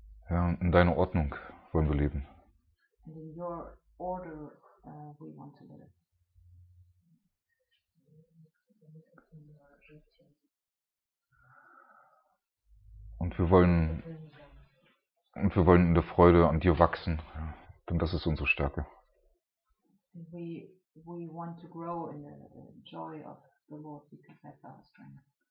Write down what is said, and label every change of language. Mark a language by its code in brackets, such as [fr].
[de] Ja, in deiner Ordnung wollen wir leben. [en] And in your order, we want to live. [de] Und wir wollen in der Freude an dir wachsen, ja, denn das ist unsere Stärke. [en] We want to grow in the joy of the Lord because that's our strength.